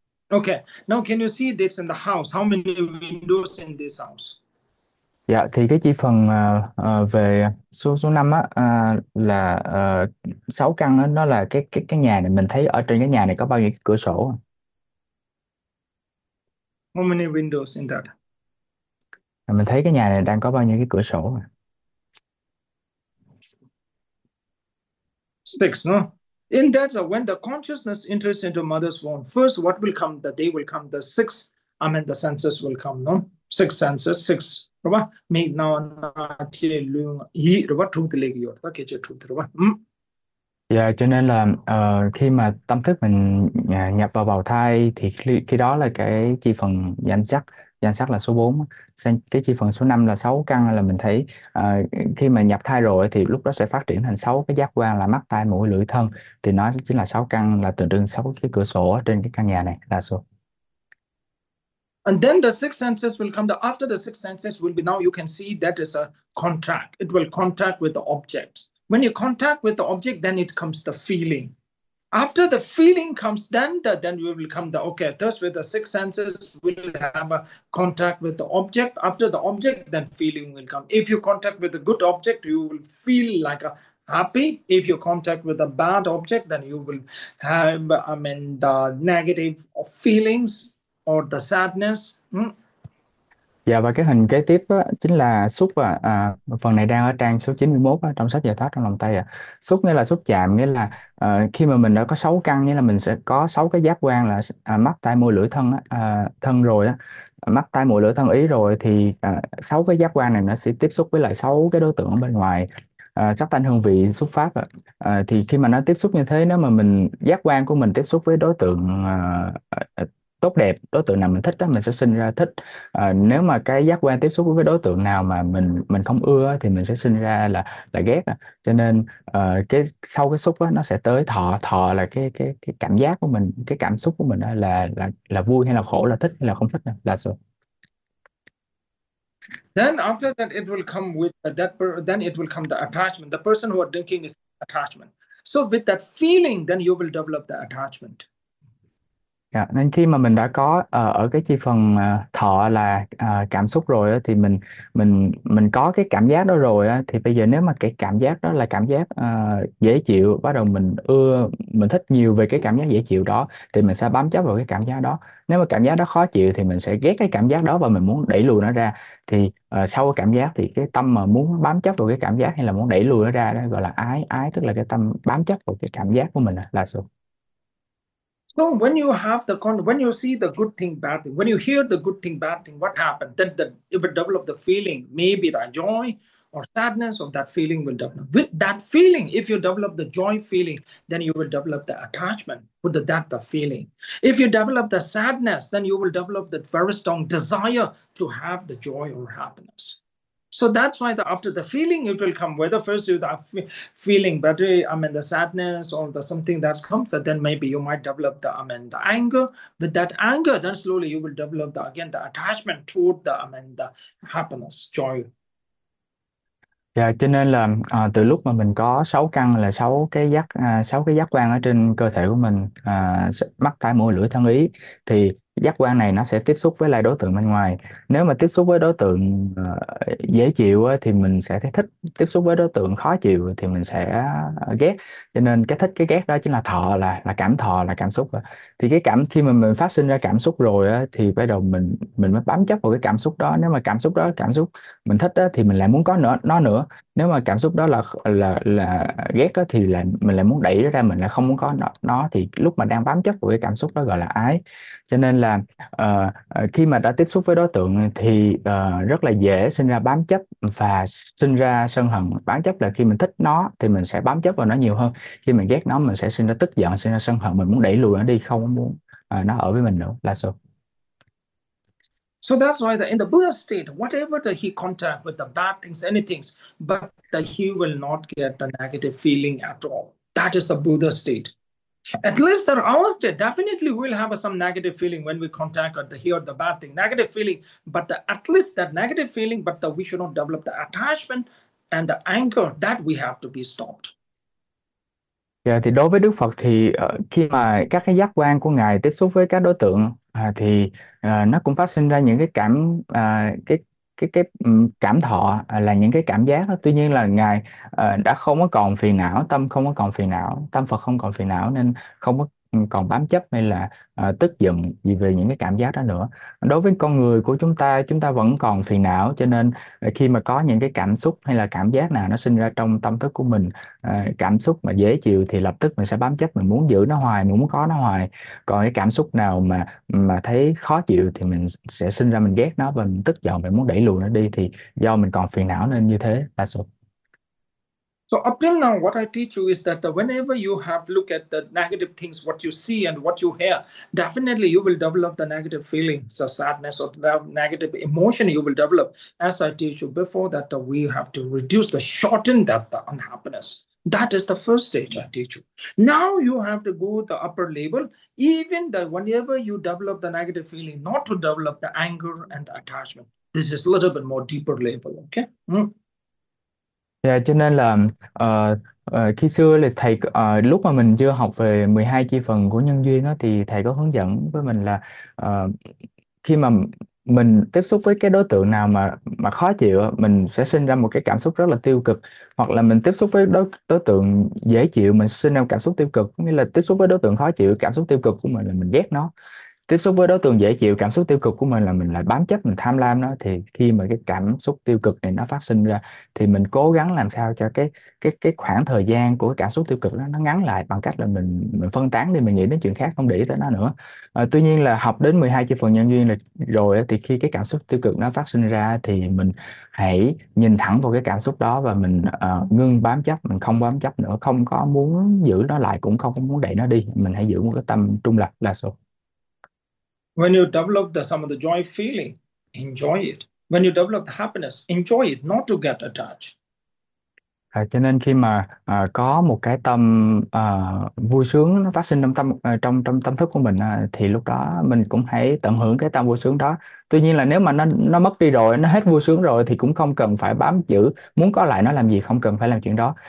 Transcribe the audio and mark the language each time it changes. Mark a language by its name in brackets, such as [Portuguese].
[English] Okay, now can you see this in the house? How many windows in this house? [Vietnamese] Dạ, thì cái chi phần về số số 5 á, là 6 căn á, nó là cái nhà này, mình thấy ở trên cái nhà này có bao nhiêu cái cửa sổ. [English] How many windows in that? [Vietnamese] Mình thấy cái nhà này đang có bao nhiêu cái cửa sổ. [English] Six, no? In that, when the consciousness enters into mother's womb, first what will come? The day will come. The six, I mean, the senses will come, no? Six senses, six rồi ba mẹ nó chơi luôn gì rồi ba trung thì lấy rồi ta kể chơi trung thì rồi ba [Vietnamese] Yeah, cho nên là khi mà tâm thức mình nhập vào bào thai thì khi đó là cái chi phần nhãn sắc là số 4, sang cái chi phần số 5 là 6 căn, là mình thấy khi mà nhập thai rồi thì lúc đó sẽ phát triển thành 6 cái giác quan là mắt, tai, mũi, lưỡi, thân, thì nó chính là 6 căn, là tượng trưng 6 cái cửa sổ trên cái căn nhà này là số. [English] And then the six senses will come. After the six senses will be, now you can see that is a contact. It will contact with the object. When you contact with the object, then it comes the feeling. After the feeling comes, then we will come the okay. Thus, with the six senses, we'll have a contact with the object. After the object, then feeling will come. If you contact with a good object, you will feel like a happy. If you contact with a bad object, then you will have, I mean, the negative of feelings. Or the sadness. [Vietnamese] Dạ, và cái hình kế tiếp đó, chính là xúc, phần này đang ở trang số 91 đó, trong sách giải thoát trong lòng tay ạ. À. Xúc nghĩa là xúc chạm, nghĩa là khi mà mình đã có 6 căn, nghĩa là mình sẽ có 6 cái giác quan là mắt, tai, mũi, lưỡi, thân, thân rồi á. Mắt, tai, mũi, lưỡi, thân, ý rồi, thì 6 cái giác quan này nó sẽ tiếp xúc với lại 6 cái đối tượng bên ngoài. Sắc, thanh, hương, vị, xúc, pháp. Thì khi mà nó tiếp xúc như thế, nếu mà mình giác quan của mình tiếp xúc với đối tượng tốt đẹp, đối tượng nào mình thích đó, mình sẽ sinh ra thích. Nếu mà cái giác quan tiếp xúc với đối tượng nào mà mình không ưa thì mình sẽ sinh ra là ghét. Cho nên cái sau cái xúc đó, nó sẽ tới thọ. Thọ là cái cảm giác của mình, cái cảm xúc của mình đó, là vui hay là khổ, là thích hay là không thích, là sao. [English] Then after that, it will come with that. Then it will come the attachment. The person who are drinking is attachment. So with that feeling, then you will develop the attachment. Yeah. [Vietnamese] Nên khi mà mình đã có ở cái chi phần thọ là cảm xúc rồi đó, thì mình có cái cảm giác đó rồi đó, thì bây giờ nếu mà cái cảm giác đó là cảm giác dễ chịu, bắt đầu mình ưa, mình thích nhiều về cái cảm giác dễ chịu đó, thì mình sẽ bám chấp vào cái cảm giác đó. Nếu mà cảm giác đó khó chịu thì mình sẽ ghét cái cảm giác đó và mình muốn đẩy lùi nó ra. Thì sau cái cảm giác thì cái tâm mà muốn bám chấp vào cái cảm giác hay là muốn đẩy lùi nó ra đó, gọi là ái, ái tức là cái tâm bám chấp vào cái cảm giác của mình là sự. [English] So when you have the con, when you see the good thing, bad thing, when you hear the good thing, bad thing, what happened? Then the if it develop the feeling, maybe the joy or sadness of that feeling will develop. With that feeling, if you develop the joy feeling, then you will develop the attachment with that the feeling. If you develop the sadness, then you will develop that very strong desire to have the joy or happiness. So that's why the after the feeling it will come. Whether first you are feeling better, I mean the sadness or the something that comes, so then maybe you might develop the I mean the anger. With that anger, then slowly you will develop the again the attachment toward the I mean the happiness, joy. [Vietnamese] Dạ, cho nên là từ lúc mà mình có 6 căn là 6 cái giác, 6 cái giác quan ở trên cơ thể của mình, mắt, tai, mũi, lưỡi, thân, ý, thì giác quan này nó sẽ tiếp xúc với lại đối tượng bên ngoài. Nếu mà tiếp xúc với đối tượng dễ chịu thì mình sẽ thấy thích, tiếp xúc với đối tượng khó chịu thì mình sẽ ghét. Cho nên cái thích cái ghét đó chính là thọ, là cảm thọ, là cảm xúc. Thì cái cảm khi mà mình phát sinh ra cảm xúc rồi thì bắt đầu mình mới bám chấp vào cái cảm xúc đó. Nếu mà cảm xúc đó cảm xúc mình thích thì mình lại muốn có nữa nó nữa. Nếu mà cảm xúc đó là ghét thì là mình lại muốn đẩy nó ra, mình lại không muốn có nó. Thì lúc mà đang bám chấp vào cái cảm xúc đó gọi là ái. Cho nên là khi mà đã tiếp xúc với đối tượng thì rất là dễ sinh ra bám chấp và sinh ra sân hận. Bám chấp là khi mình thích nó thì mình sẽ bám chấp vào nó nhiều hơn, khi mình ghét nó mình sẽ sinh ra tức giận, sinh ra sân hận, mình muốn đẩy lùi nó đi, không muốn nó ở với mình nữa là sao. [English] So that's why the in the Buddha state, whatever the he contact with the bad things, anything, but the he will not get the negative feeling at all. That is the Buddha state. At least the our state definitely will have some negative feeling when we contact or the hear the bad thing, negative feeling. But the at least that negative feeling, but the we should not develop the attachment and the anger that we have to be stopped. [Vietnamese] Dạ, thì đối với Đức Phật thì khi mà các cái giác quan của Ngài tiếp xúc với các đối tượng thì nó cũng phát sinh ra những cái cảm cái cảm thọ, là những cái cảm giác đó. Tuy nhiên là Ngài đã không có còn phiền não, tâm không có còn phiền não, tâm Phật không còn phiền não, nên không có còn bám chấp hay là tức giận gì về những cái cảm giác đó nữa. Đối với con người của chúng ta vẫn còn phiền não, cho nên khi mà có những cái cảm xúc hay là cảm giác nào nó sinh ra trong tâm thức của mình, cảm xúc mà dễ chịu thì lập tức mình sẽ bám chấp, mình muốn giữ nó hoài, mình muốn có nó hoài. Còn cái cảm xúc nào mà thấy khó chịu thì mình sẽ sinh ra mình ghét nó và mình tức giận, mình muốn đẩy lùi nó đi, thì do mình còn phiền não nên như thế là số. [English] So up till now, what I teach you is that whenever you have look at the negative things, what you see and what you hear, definitely you will develop the negative feelings, the sadness or the negative emotion you will develop. As I teach you before that, we have to reduce the shorten that the unhappiness. That is the first stage I teach you. Now you have to go the upper level, even the whenever you develop the negative feeling, not to develop the anger and the attachment. This is a little bit more deeper level, okay? [Vietnamese] Cho nên là khi xưa là thầy lúc mà mình chưa học về 12 chi phần của nhân duyên đó, thì thầy có hướng dẫn với mình là khi mà mình tiếp xúc với cái đối tượng nào mà khó chịu, mình sẽ sinh ra một cái cảm xúc rất là tiêu cực, hoặc là mình tiếp xúc với đối tượng dễ chịu mình sinh ra một cảm xúc tiêu cực, nghĩa là tiếp xúc với đối tượng khó chịu cảm xúc tiêu cực của mình là mình ghét nó, tiếp xúc với đối tượng dễ chịu cảm xúc tiêu cực của mình là mình lại bám chấp, mình tham lam nó. Thì khi mà cái cảm xúc tiêu cực này nó phát sinh ra thì mình cố gắng làm sao cho cái khoảng thời gian của cái cảm xúc tiêu cực đó nó ngắn lại bằng cách là mình phân tán đi, mình nghĩ đến chuyện khác, không để ý tới nó nữa. Tuy nhiên là học đến 12 chi phần nhân duyên là rồi, thì khi cái cảm xúc tiêu cực nó phát sinh ra thì mình hãy nhìn thẳng vào cái cảm xúc đó và mình ngưng bám chấp, mình không bám chấp nữa, không có muốn giữ nó lại cũng không muốn đẩy nó đi, mình hãy giữ một cái tâm trung lập là số. [English] When you develop the some of the joy feeling, enjoy it. When you develop the happiness, enjoy it, not to get attached. [Vietnamese] Cho nên khi mà có một cái tâm vui sướng nó phát sinh trong trong tâm thức của mình, thì lúc đó mình cũng hãy tận hưởng cái tâm vui sướng đó. Tuy nhiên là nếu mà nó mất đi rồi, nó hết vui sướng rồi, thì cũng không cần phải bám chữ muốn có lại nó làm gì, không cần phải làm chuyện đó.